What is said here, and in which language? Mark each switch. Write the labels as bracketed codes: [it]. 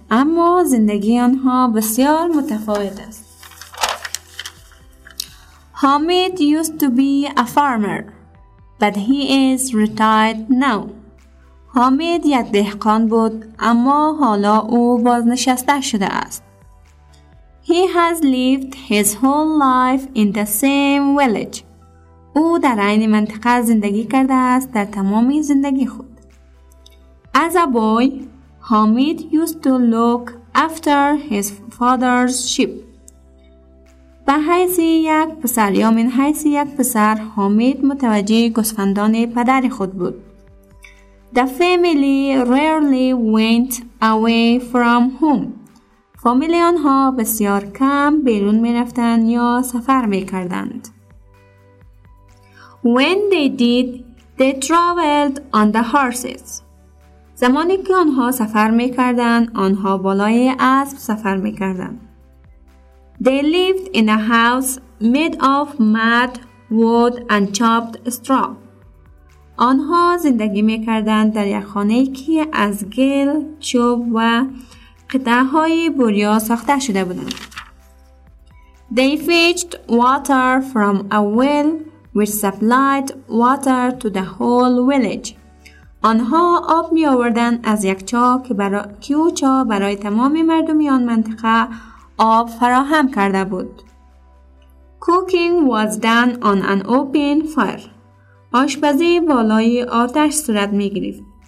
[fa] اما زندگی آنها بسیار متفاوت است. [en] Hamid used to be a farmer, but he is retired now. [fa] Hamid یک دهقان بود، اما حالا او بازنشسته شده است. [en] He has lived his whole life in the same village. [fa] او در عین منطقه زندگی کرده است در تمامی زندگی خود. [en] As a boy, Hamid used to look after his father's sheep. [fa] به حیث یک پسر یا من حیث یک پسر حامید متوجه گوسفندان پدر خود بود. [en] The family rarely went away from home. [fa] فامیلی آنها بسیار کم بیرون می رفتند یا سفر می کردند. [en] When they did, they traveled on the horses. [fa] زمانی که آنها سفر می کردند، آنها بالای اسب سفر می کردند. [en] They lived in a house made of mud, wood and chopped straw. [fa] آنها زندگی می کردند در یک خانه که از گل، چوب و قطعه‌های بوریا ساخته شده بودند. [en] They fetched water from a well which supplied water to the whole village. [fa] آنها آب می آوردند از یک چاه که او چاه برای تمام مردمی آن منطقه آب فراهم کرده بود. [en] Cooking was done on an open fire. [fa] آشپزی بالای آتش صورت می گرفت.